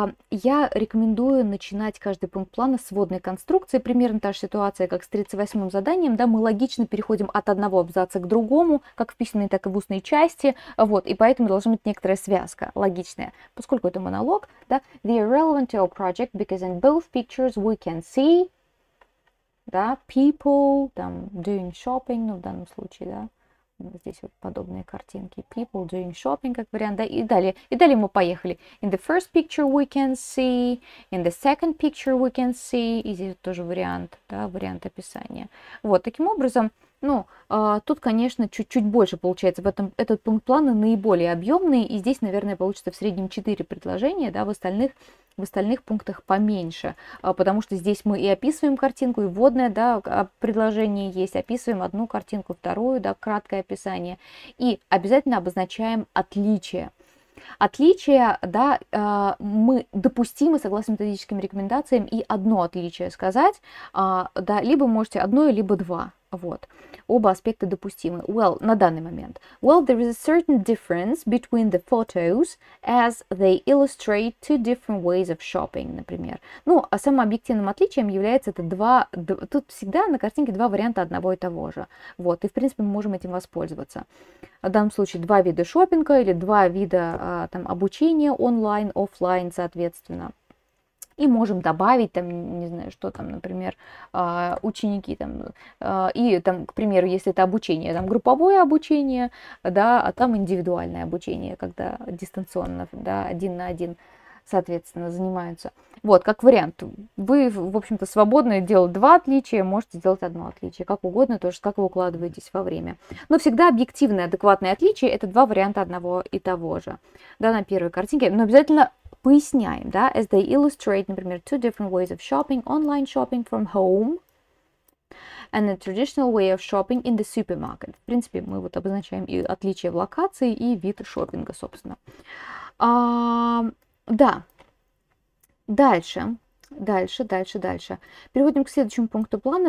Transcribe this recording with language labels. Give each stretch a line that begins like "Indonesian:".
Russian: Я рекомендую начинать каждый пункт плана с вводной конструкции. Примерно та же ситуация, как с 38-м заданием, да, мы логично переходим от одного абзаца к другому, как в письменной, так и в устной части, вот, и поэтому должна быть некоторая связка логичная, поскольку это монолог, да.
English: They are relevant to our project because in both pictures we can see...
Russian: Да, people, там, doing shopping, ну, в данном случае, да, здесь вот подобные картинки,
English: people doing shopping,
Russian: как вариант, да, и далее мы поехали.
English: In the first picture we can see, in the second picture we can see,
Russian: и здесь тоже вариант, да, вариант описания. Вот, таким образом, ну, тут, конечно, чуть-чуть больше получается, этот пункт плана наиболее объемный, и здесь, наверное, получится в среднем 4 предложения, да, в остальных пунктах поменьше, потому что здесь мы и описываем картинку, и вводное, да, предложение есть, описываем одну картинку, вторую, да, краткое описание, и обязательно обозначаем отличия. Отличия, да, мы допустимы, согласно методическим рекомендациям, и одно отличие сказать, да, либо можете одно, либо два, вот. Оба аспекта допустимы. Well, на данный момент.
English: Well, there is a certain difference between the photos as they illustrate two different ways of shopping,
Russian: например. Ну, а самым объективным отличием является это два... Тут всегда на картинке два варианта одного и того же. Вот, и в принципе мы можем этим воспользоваться. В данном случае два вида шопинга или два вида там обучения онлайн, офлайн, соответственно. И можем добавить там, не знаю, что там, например, ученики там, и там, к примеру, если это обучение, там групповое обучение, да, а там индивидуальное обучение, когда дистанционно, да, один на один, соответственно, занимаются. Вот, как вариант, вы, в общем-то, свободны делать два отличия, можете сделать одно отличие, как угодно, тоже, как вы укладываетесь во время. Но всегда объективное, адекватное отличие — это два варианта одного и того же, да, на первой картинке, но обязательно... Поясняем, да,
English: as they illustrate,
Russian: например,
English: two different ways of shopping, online shopping from home and the traditional way of shopping in the supermarket.
Russian: В принципе, мы вот обозначаем и отличие в локации, и вид шопинга, собственно. Да, дальше. Переходим к следующему пункту плана.